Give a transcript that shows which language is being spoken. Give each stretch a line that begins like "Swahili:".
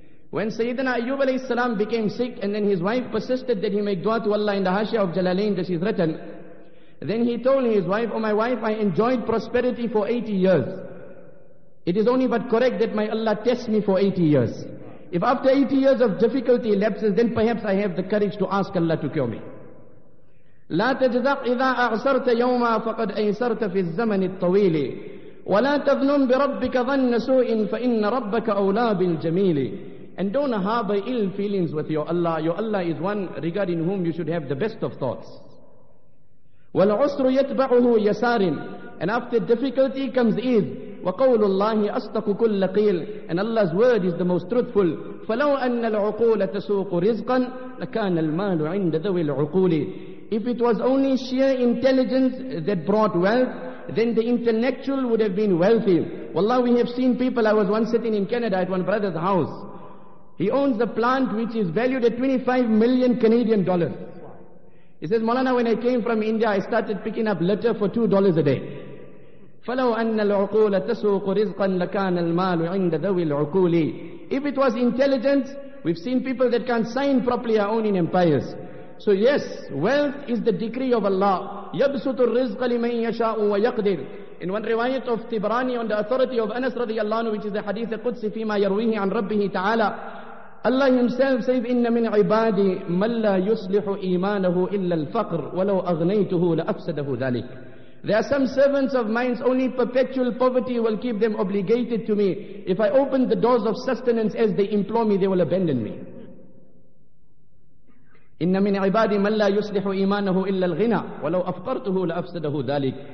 English: When Sayyidina Ayyub alayhi salam became sick, and then his wife persisted that he make dua to Allah in the Hashia of Jalalain, that she's written, then he told his wife, oh my wife, I enjoyed prosperity for 80 years. It is only but correct that my Allah tests me for 80 years. If after 80 years of difficulty lapses, then perhaps I have the courage to ask Allah to cure me.
Arabic: لا تجزق إذا أعسرت يوما فقد أيسرت في الزمن الطويل ولا تظنن بربك ظن سوء فإن ربك أولى بالجميل.
English: And don't harbor ill feelings with your Allah. Your Allah is one regarding whom you should have the best of thoughts.
Arabic: والعسر يتبعه يسار.
English: And after difficulty comes ease.
Arabic: وقول الله أصدق كل قيل.
English: And Allah's word is the most truthful.
Arabic: فلو أن العقول تسوق رزقا لكان المال عند ذوي العقول.
English: If it was only sheer intelligence that brought wealth, then the intellectual would have been wealthy. Wallah, we have seen people. I was once sitting in Canada at one brother's house. He owns a plant which is valued at 25 million Canadian dollars. He says, Maulana, when I came from India, I started picking up litter for $2 a day.
Arabic: فَلَوْ أَنَّ الْعُقُولَ تَسُوقُ رِزْقًا لَكَانَ الْمَالُ عِنْدَ ذَوِي الْعُقُولِ.
English: If it was intelligence, we've seen people that can't sign properly are owning empires. So yes, wealth is the decree of Allah.
Arabic: يَبْسُطُ الرِّزْقَ لِمَنْ يَشَاءُ وَيَقْدِرُ.
English: In one riwayat of Tibrani on the authority of Anas radiyallahu anhu, which is the hadith al-Qudsi
Arabic: fima yarwihi an Rabbihi ta'ala,
English: Allah himself says,
Arabic: إِنَّ مِنْ عِبَادِي مَنْ لَا يُصْلِحُ إِيمَانَهُ إِلَّا الْفَقْرُ وَلَوْ أَغْنَيْتُهُ لَأَفْسَدَهُ ذَلِكَ.
English: There are some servants of mine, only perpetual poverty will keep them obligated to me. If I open the doors of sustenance as they implore me, they will abandon me.
Arabic: إِنَّ مِنْ عِبَادِي مَنْ لَا يُصْلِحُ إِيمَانَهُ إِلَّا الْغِنَى وَلَوْ أَفْقَرْتُهُ لَأَفْسَدَهُ ذَلِكَ.